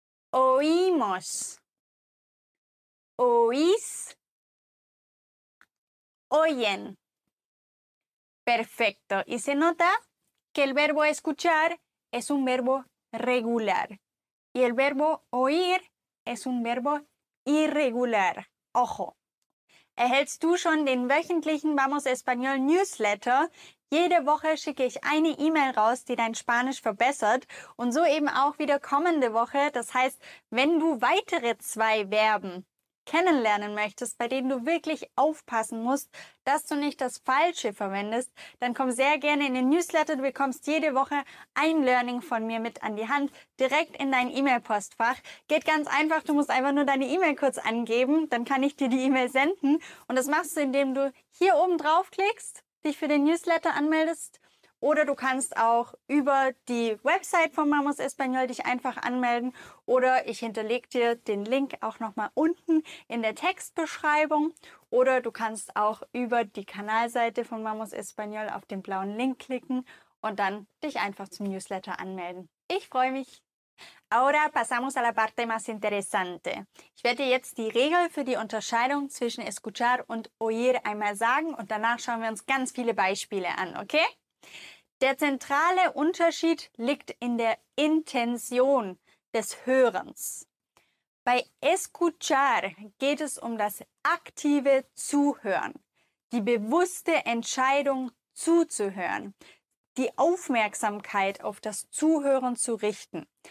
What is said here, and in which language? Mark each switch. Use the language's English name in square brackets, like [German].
[Spanish] Oímos. Oís, oyen. Perfecto. Y se nota que el verbo escuchar es un verbo regular. Y el verbo oír es un verbo irregular. Ojo. [German] ¿Erhältst du schon den wöchentlichen Vamos Español Newsletter? Jede Woche schicke ich eine E-Mail raus, die dein Spanisch verbessert und so eben auch wieder kommende Woche. Das heißt, wenn du weitere zwei Verben kennenlernen möchtest, bei denen du wirklich aufpassen musst, dass du nicht das Falsche verwendest, dann komm sehr gerne in den Newsletter. Du bekommst jede Woche ein Learning von mir mit an die Hand, direkt in dein E-Mail-Postfach. Geht ganz einfach, du musst einfach nur deine E-Mail kurz angeben, dann kann ich dir die E-Mail senden. Und das machst du, indem du hier oben draufklickst, dich für den Newsletter anmeldest Oder du kannst auch über die Website von Mamas Español dich einfach anmelden. Oder ich hinterlege dir den Link auch nochmal unten in der Textbeschreibung. Oder du kannst auch über die Kanalseite von Mamas Español auf den blauen Link klicken und dann dich einfach zum Newsletter anmelden. Ich freue mich. [Spanish] Ahora pasamos a la parte más interesante. [German] Ich werde dir jetzt die Regel für die Unterscheidung zwischen escuchar und oír einmal sagen und danach schauen wir uns ganz viele Beispiele an, okay? Der zentrale Unterschied liegt in der Intention des Hörens. Bei escuchar geht es um das aktive Zuhören, die bewusste Entscheidung zuzuhören, die Aufmerksamkeit auf das Zuhören zu richten.